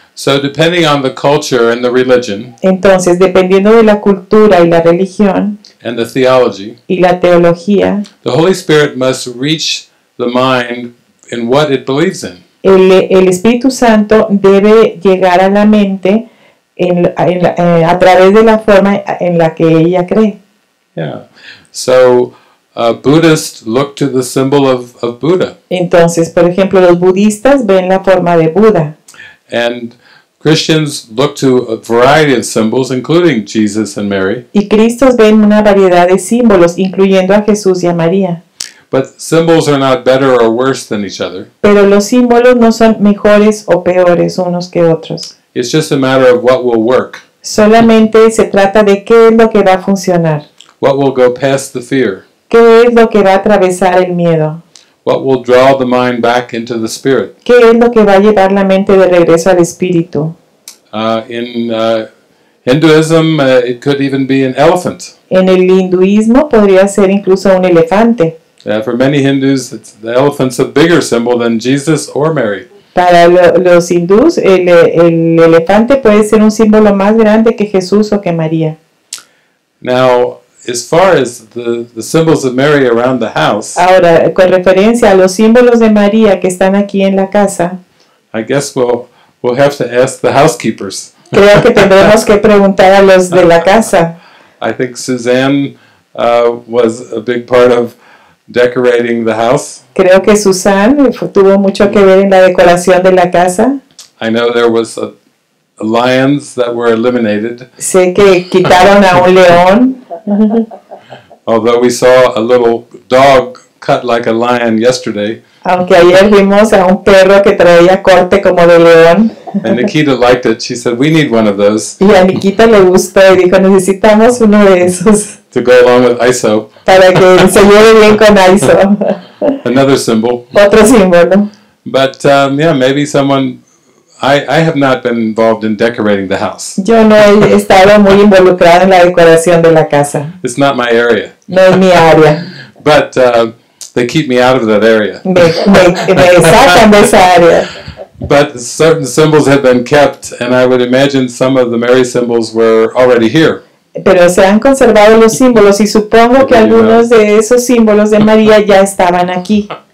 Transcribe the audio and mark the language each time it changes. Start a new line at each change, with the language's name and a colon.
English: So depending on the culture and the religion.
Spanish: Entonces, dependiendo de la cultura y la religión.
English: And the theology.
Spanish: Y la teología.
English: The Holy Spirit must reach the mind in what it believes in.
Spanish: El Espíritu Santo debe llegar a la mente a través de la forma en la que ella cree. Yeah.
English: So Buddhists look to the symbol of Buddha.
Spanish: Entonces, por ejemplo, los budistas ven la forma de Buda.
English: And Christians look to a variety of symbols, including Jesus and Mary.
Spanish: Y cristos ven una variedad de símbolos, incluyendo a Jesús y a María.
English: But symbols are not better or worse than each other.
Spanish: Pero los símbolos no son mejores o peores unos que otros.
English: It's just a matter of what will work.
Spanish: Solamente se trata de qué es lo que va a funcionar.
English: What will go past the fear.
Spanish: Qué es lo que va a atravesar el miedo.
English: What will draw the mind back into the spirit.
Spanish: Qué es lo que va a llevar la mente de regreso al espíritu.
English: In Hinduism, it could even be an elephant.
Spanish: En el hinduismo podría ser incluso un elefante.
English: For many Hindus, the elephant's a bigger symbol than Jesus or Mary.
Spanish: Para los hindús, el elefante puede ser un símbolo más grande que Jesús o que María.
English: Now, as far as the symbols of Mary around the house.
Spanish: Ahora, con referencia a los símbolos de María que están aquí en la casa.
English: I guess we'll have to ask the housekeepers.
Spanish: Creo que tendremos que preguntar a los de la casa.
English: I think Suzanne was a big part of decorating the house.
Spanish: Creo que Susan tuvo mucho que ver en la decoración de la casa.
English: I know there was a lions that were eliminated.
Spanish: Sé que quitaron a un león.
English: Although we saw a little dog cut like a lion yesterday.
Spanish: Aunque ayer vimos a un perro que traía corte como de león.
English: And Nikita liked it. She said, "We need one of those."
Spanish: Y a Nikita le gustó y dijo, "Necesitamos uno de esos."
English: To go along with ISO.
Spanish: Para que se lleve bien con ISO.
English: Another symbol.
Spanish: Otro símbolo.
English: But maybe someone. I have not been involved in decorating the house.
Spanish: Yo no he estado muy involucrada en la decoración de la casa.
English: It's not my area.
Spanish: No es mi área.
English: But they keep me out of that area.
Spanish: Me sacan de esa área.
English: But certain symbols have been kept, and I would imagine some of the Mary symbols were already here.
Spanish: Pero se han conservado los símbolos y supongo que algunos de esos símbolos de María ya estaban aquí.